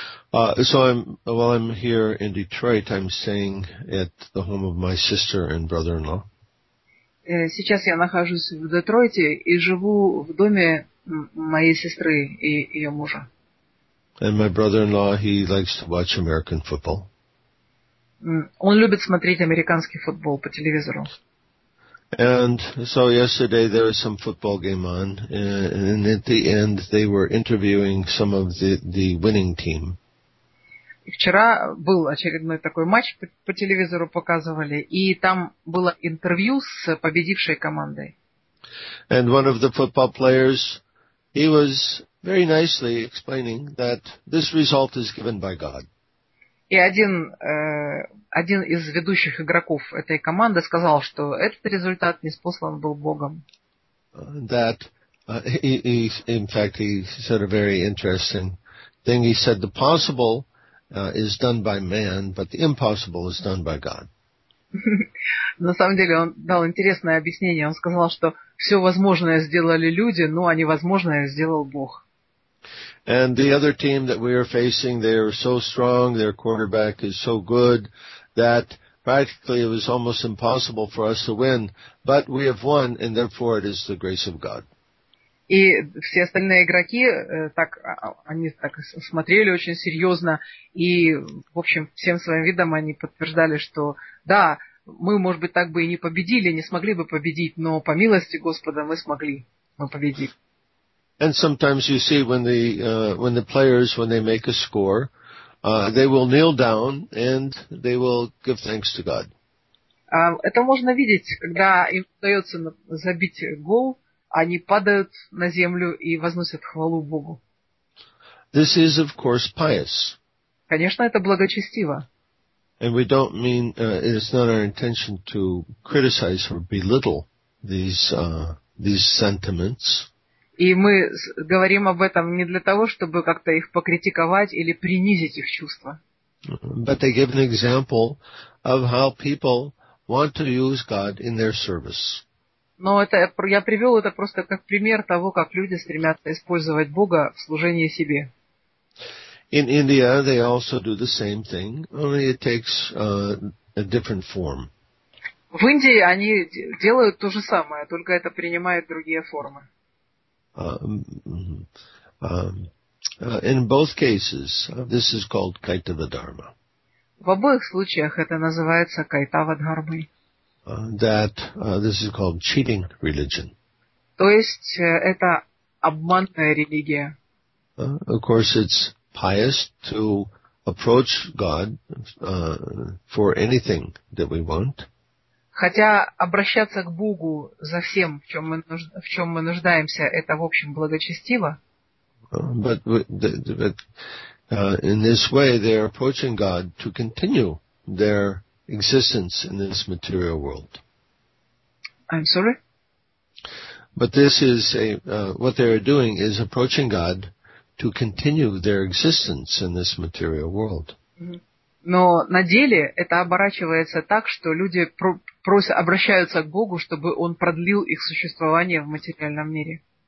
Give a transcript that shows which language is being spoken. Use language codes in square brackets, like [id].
[en] While I'm here in Detroit, I'm staying at the home of my sister and brother-in-law. [ru] Сейчас я нахожусь в Детройте и живу в доме моей сестры и ее мужа. [en] And my brother-in-law, he likes to watch American football. [ru] Он любит смотреть американский футбол по телевизору. [en] And so yesterday there was some football game on, and at the end they were interviewing some of the winning team. [ru] И вчера был очередной такой матч, по телевизору показывали, и там было интервью с победившей командой. [en] And one of the football players, he was very nicely explaining that this result is given by God. [ru] И один из ведущих игроков этой команды сказал, что этот результат ниспослан был Богом. [en] That in fact he said a very interesting thing. He said the possible is done by man, but the impossible is done by God. [ru] На самом деле он дал интересное объяснение. Он сказал, что все возможное сделали люди, но невозможное сделал Бог. [en] And the other team that we are facing, they are so strong, their quarterback is so good, that practically it was almost impossible for us to win, but we have won, and therefore it is the grace of God. [ru] И все остальные игроки они смотрели очень серьезно, и, в общем, всем своим видом они подтверждали, что да, мы, может быть, так бы и не победили, не смогли бы победить, но по милости Господа мы смогли. Но победи. [en] And sometimes you see when the players, when they make a score, they will kneel down and they will give thanks to God. [ru] Это можно видеть, когда им удается забить гол, они падают на землю и возносят хвалу Богу. [en] This is, of course, pious. [ru] Конечно, это благочестиво. [en] And we don't mean, it's not our intention to criticize or belittle these sentiments. [ru] И мы говорим об этом не для того, чтобы как-то их покритиковать или принизить их чувства. [en] But they give an example of how people want to use God in their service. [ru] Но это, я привел это просто как пример того, как люди стремятся использовать Бога в служении себе. [en] In India they also do the same thing, only it takes a different form. [ru] В Индии они делают то же самое, только это принимает другие формы. [en] In both cases, this is called Kaitava Dharma. [ru] В обоих случаях это называется Кайтава Дхармой. [en] This is called cheating religion. [ru] То есть это обманная религия. [en] Of course, it's pious to approach God for anything that we want. [ru] Хотя обращаться к Богу за всем, в чем мы нуждаемся, это в общем благочестиво. [en] In this way they are approaching God to continue their existence in this material world. I'm sorry. But this is what they are doing is approaching God to continue their existence in this material world. [ru] Но на деле это оборачивается так, что люди обращаются к Богу, чтобы он продлил их существование в материальном мире.